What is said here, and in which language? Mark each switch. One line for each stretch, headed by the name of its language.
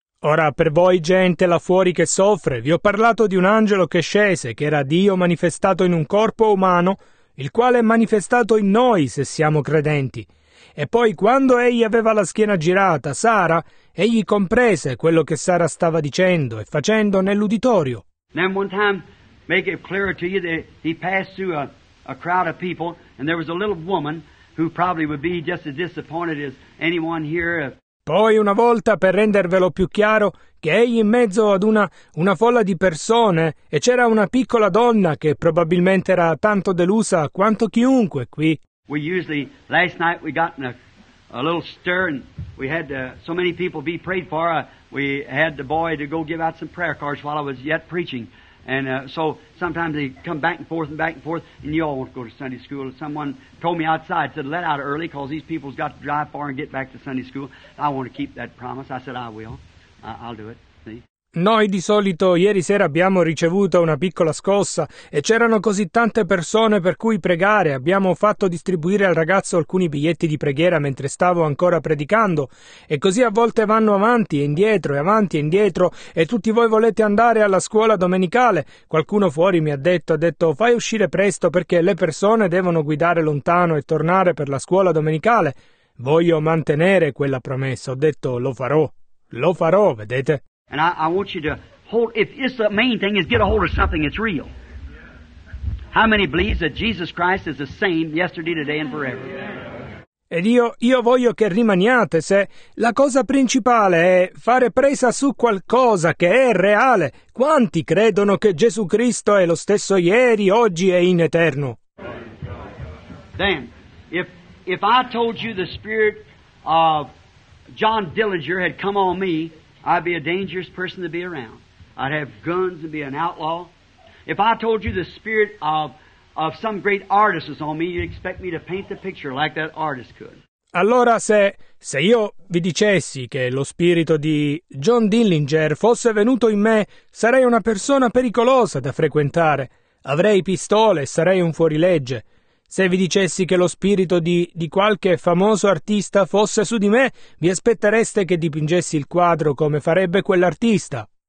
Italian: Ora, per voi gente là fuori che soffre, vi ho parlato di un angelo che scese, che era Dio manifestato in un corpo umano, il quale è manifestato in noi se siamo credenti. E poi, quando egli aveva la schiena girata, Sara, egli comprese quello che Sara stava dicendo e facendo nell'uditorio.
English: Then one time, make it clearer to you that he passed through a crowd of people, and there was a little woman who probably would be just as disappointed as anyone here.
Italian: Poi una volta, per rendervelo più chiaro, che egli in mezzo ad una folla di persone, e c'era una piccola donna che probabilmente era tanto delusa quanto chiunque qui.
English: We usually, last night we got in a little stir, and we had so many people be prayed for. We had the boy to go give out some prayer cards while I was yet preaching. And so sometimes they come back and forth and back and forth, and you all won't go to Sunday school. Someone told me outside, said, let out early, because these people's got to drive far and get back to Sunday school. I want to keep that promise. I said, I will. I'll do it. See?
Italian: Noi di solito ieri sera abbiamo ricevuto una piccola scossa e c'erano così tante persone per cui pregare. Abbiamo fatto distribuire al ragazzo alcuni biglietti di preghiera mentre stavo ancora predicando. E così a volte vanno avanti e indietro e avanti e indietro e tutti voi volete andare alla scuola domenicale. Qualcuno fuori mi ha detto fai uscire presto perché le persone devono guidare lontano e tornare per la scuola domenicale. Voglio mantenere quella promessa. Ho detto lo farò, vedete?
English: And I want you to hold, if it's the main thing, is get a hold of something that's real. How many believe that Jesus Christ is the same yesterday, today, and forever?
Italian: Ed io voglio che rimaniate se la cosa principale è fare presa su qualcosa che è reale. Quanti credono che Gesù Cristo è lo stesso ieri, oggi e in eterno?
English: Then, if I told you the spirit of John Dillinger had come on me, I'd be a dangerous person to be around. I'd have guns and be an outlaw. If I told you the spirit of some great artist was on me, you'd expect me to paint the picture like that artist could.
Italian: Allora se io vi dicessi che lo spirito di John Dillinger fosse venuto in me, sarei una persona pericolosa da frequentare. Avrei pistole e sarei un fuorilegge. Se vi dicessi che lo spirito di qualche famoso artista fosse su di me, vi aspettereste che dipingessi il quadro come farebbe quell'artista.